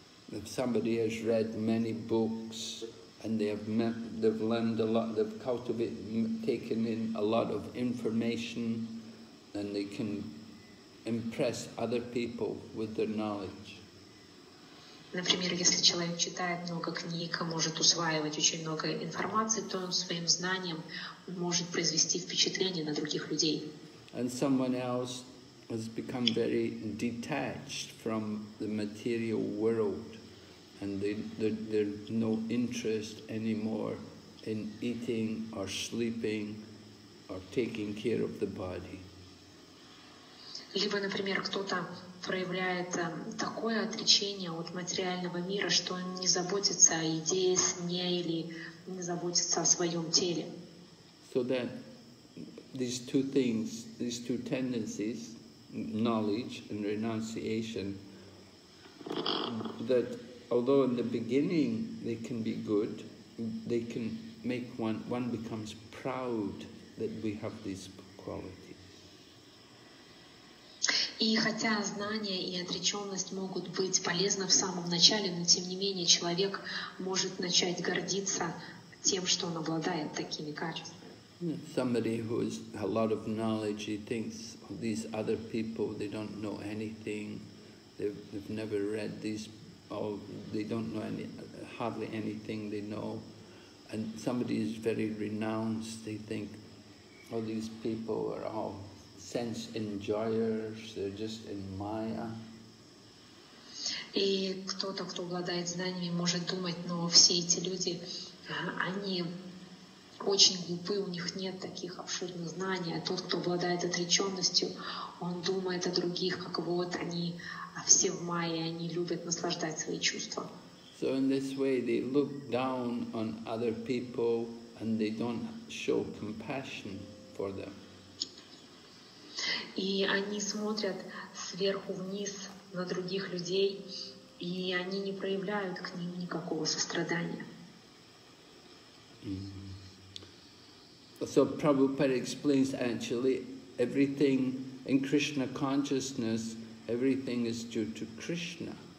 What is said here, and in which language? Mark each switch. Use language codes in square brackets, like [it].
[en] If somebody has read many books and they've learned a lot, they've taken in a lot of information, then they can impress other people with their knowledge. [ru] Например, если человек читает много книг, может усваивать очень много информации, то он своим знанием может произвести впечатление на других людей. [en] And someone else has become very detached from the material world, and there's no interest anymore in eating or sleeping or taking care of the body. [ru] Либо, например, кто-то проявляет такое отречение от материального мира, что он не заботится о еде, сне или не заботится о своем теле. [en] So that these two things, these two tendencies, knowledge and renunciation, that although in the beginning they can be good, they can make one becomes proud that we have these qualities. [ru] И хотя знания и отречённость могут быть полезны в самом начале, но тем не менее человек может начать гордиться тем, что он обладает такими качествами. [en] Somebody who has a lot of knowledge, he thinks these other people, they don't know anything, they've never read these, or they don't know hardly anything they know. And somebody is very renounced, they think all these people are all sense enjoyers, they're just in Maya. [ru] И кто-то, кто обладает знаниями, может думать, но все эти люди, они очень глупы, у них нет таких обширных знаний. А тот, кто обладает отреченностью, он думает о других, как вот они все в мае, они любят наслаждать свои чувства. [en] So in this way they look down on other people and they don't show compassion for them. [ru] И они смотрят сверху вниз на других людей, и они не проявляют к ним никакого сострадания. [en] So Prabhupada explains actually everything in Krishna consciousness, everything is due to Krishna.